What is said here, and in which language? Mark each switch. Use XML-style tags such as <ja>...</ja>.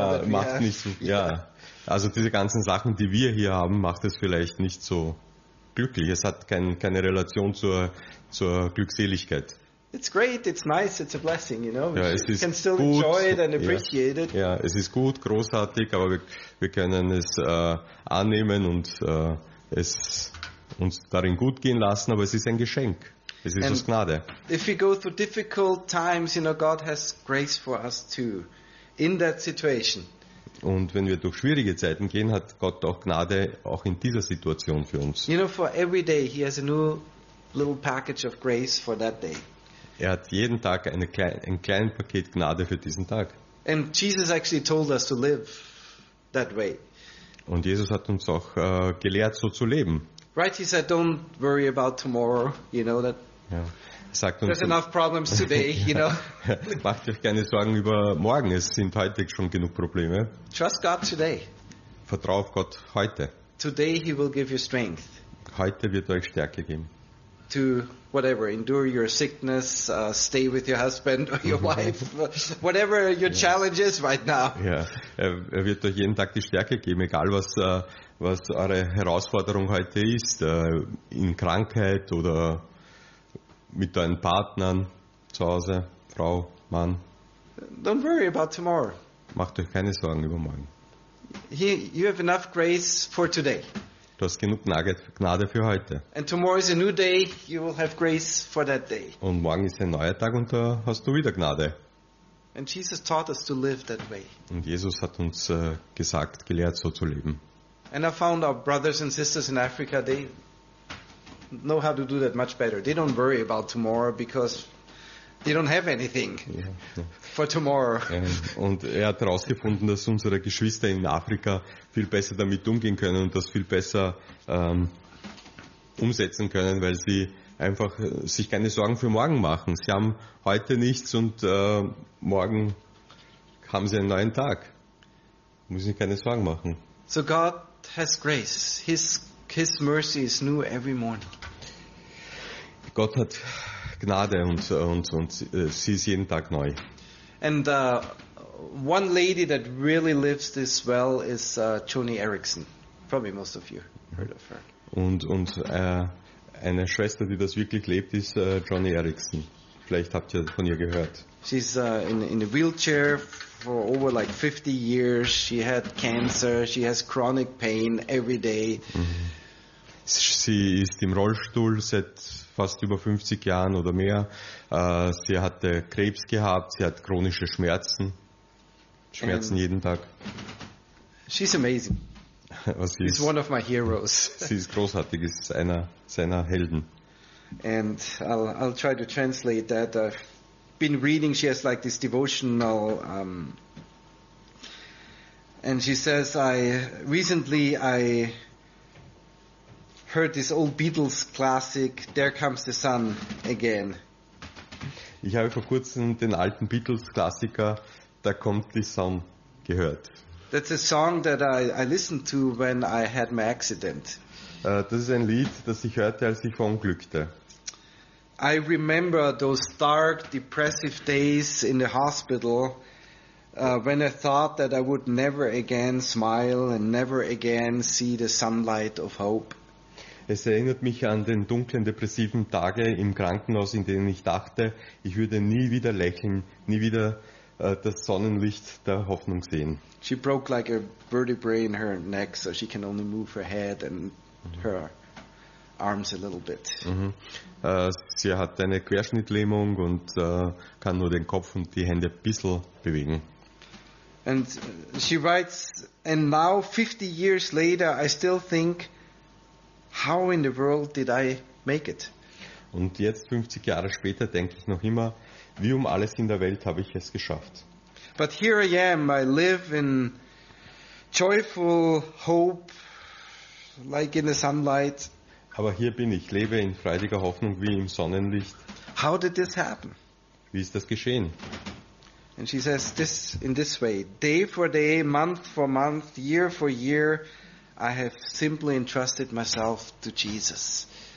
<de>macht nicht so, also diese ganzen Sachen, die wir hier haben, macht es vielleicht nicht so glücklich. Es hat keine Relation zur Glückseligkeit.</de> <en>It's great, it's nice, it's a blessing, you know. We can still</en> <de>gut,</de> <en>enjoy it and appreciate it.</en> <de>Ja, es ist gut, großartig, aber wir können es annehmen und es uns darin gut gehen lassen, aber es ist ein Geschenk. Es ist aus Gnade.</de> <en>If we go through difficult times, you know, God has grace for us too in that situation.</en> <de>Und wenn wir durch schwierige Zeiten gehen, hat Gott auch Gnade auch in dieser Situation für uns.</de> <en>You know, for every day he has a new little package of grace for that day.</en> <de>Er hat jeden Tag ein kleines Paket Gnade für diesen Tag.</de> <en>And Jesus actually told us to live that way.</en> <de>Und Jesus hat uns auch gelehrt, so zu leben.</de> <en>Right, he said, don't worry about tomorrow. You know that.</en> <de>Sagt uns,</de> <en>there's enough problems today. You know.</en> <de>Macht euch keine Sorgen über morgen. Es sind heute schon genug Probleme.</de> <en>Trust God today.</en> <de>Vertrau auf Gott heute.</de> <en>Today he will give you strength.</en> <de>Heute wird euch Stärke geben.</de> <en>To whatever, endure your sickness, stay with your husband or your wife, whatever your challenge is right now.</en> <de>Er wird euch jeden Tag die Stärke geben, egal was eure Herausforderung heute ist, in Krankheit oder mit deinen Partnern zu Hause, Frau, Mann.</de> <en>Don't worry about tomorrow.</en> <de>Macht euch keine Sorgen über morgen.</de> <en>You have enough grace for today.</en> <de>Du hast genug Gnade für heute.</de> <en>And tomorrow is a new day, you will have grace for that day.</en> <de>Und morgen ist ein neuer Tag und da hast du wieder Gnade.</de> <en>And Jesus taught us to live that way.</en> <de>Und Jesus hat uns gesagt, gelehrt, so zu leben.</de> <en>And I found our brothers and sisters in Africa, they know how to do that much better. They don't worry about tomorrow because they don't have anything for tomorrow.</en> <de>Und er hat herausgefunden, dass unsere Geschwister in Afrika viel besser damit umgehen können und das viel besser umsetzen können, weil sie einfach sich keine Sorgen für morgen machen. Sie haben heute nichts und morgen haben sie einen neuen Tag. Müssen sich keine Sorgen machen.</de> <en>So God has grace. His mercy is new every morning.</en> <de>Gott hat Gnade und sie ist jeden Tag neu.</de> <en>And one lady that really lives this well is Joni Erickson. Probably most of you heard of her.</en> <de>Und eine Schwester, die das wirklich lebt, ist Joni Erickson. Vielleicht habt ihr von ihr gehört.</de> <en>She's in a wheelchair for over like 50 years. She had cancer. She has chronic pain every day.</en> <de>Sie ist im Rollstuhl seit fast über 50 Jahren oder mehr. Sie hatte Krebs gehabt, sie hat chronische Schmerzen. Schmerzen jeden Tag.</de> <en>She's amazing. He's one of my heroes.</en> <de>Sie ist großartig, ist einer seiner Helden.</de> <en>And I'll try to translate that. I've been reading, she has like this devotional and she says, I recently heard this old Beatles classic, There Comes the Sun Again.</en> <de>Ich habe vor kurzem den alten Beatles Klassiker Da kommt die Sonne gehört.</de> <en>That's a song that I listened to when I had my accident.</en> <de>Das ist ein Lied, das ich hörte, als ich verunglückte.</de> <en>I remember those dark, depressive days in the hospital when I thought that I would never again smile and never again see the sunlight of hope.</en> <de>Es erinnert mich an den dunklen, depressiven Tage im Krankenhaus, in denen ich dachte, ich würde nie wieder lächeln, nie wieder das Sonnenlicht der Hoffnung sehen.</de> <en>She broke like a vertebrae in her neck, so she can only move her head and her arms a little bit. Mm-hmm.</en> <de>Sie hat eine Querschnittlähmung und kann nur den Kopf und die Hände ein bisschen bewegen.</de> <en>And she writes, and now 50 years later I still think, how in the world did I make it?</en> <de>Und jetzt 50 Jahre später denke ich noch immer, wie um alles in der Welt habe ich es geschafft.</de> <en>But here I am, I live in joyful hope, like in the sunlight.</en> <de>Aber hier bin ich, lebe in freudiger Hoffnung wie im Sonnenlicht.</de> <en>How did this happen?</en> <de>Wie ist das geschehen?</de> <en>And she says this in this way, day for day, month for month, year for year, I have simply entrusted myself to Jesus.</en>